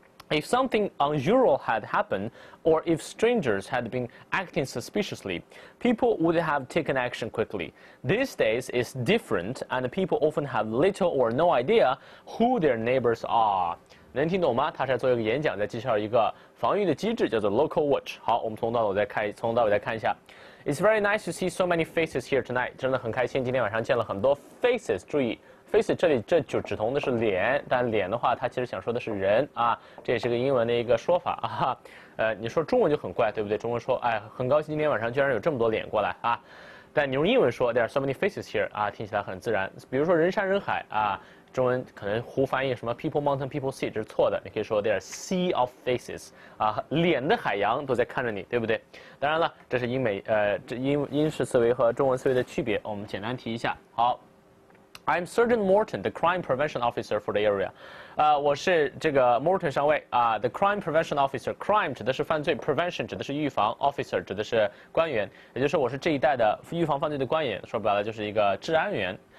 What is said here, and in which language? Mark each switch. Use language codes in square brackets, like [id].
[en] If something unusual had happened, or if strangers had been acting suspiciously, people would have taken action quickly. These days it's different, and people often have little or no idea who their neighbors are. [zh] 能听懂吗？他是在做一个演讲，在介绍一个防御的机制，叫做 Local Watch。好，我们从头到尾再看一下。 [en] It's very nice to see so many faces here tonight. [zh] 真的很开心，今天晚上见了很多 faces。注意。 Face 这就指同的是脸，但脸的话，它其实想说的是人啊，这也是个英文的一个说法啊。你说中文就很怪，对不对？中文说，哎，很高兴今天晚上居然有这么多脸过来啊。但你用英文说 ， [en] there are so many faces here [zh] 啊，听起来很自然。比如说人山人海啊，中文可能胡翻译什么 [en] people mountain people sea [zh] 这是错的，你可以说 [en] there are sea of faces [zh] 啊，脸的海洋都在看着你，对不对？当然了，这是英美这英式思维和中文思维的区别，我们简单提一下。好。 [en] I'm Sergeant Morton, the crime prevention officer for the area. [zh] 我是这个 Morton 上尉啊。 [en] The crime prevention officer, [zh] crime 指的是犯罪 ，prevention 指的是预防 ，officer 指的是官员，也就是我是这一代的预防犯罪的官员，说白了就是一个治安员。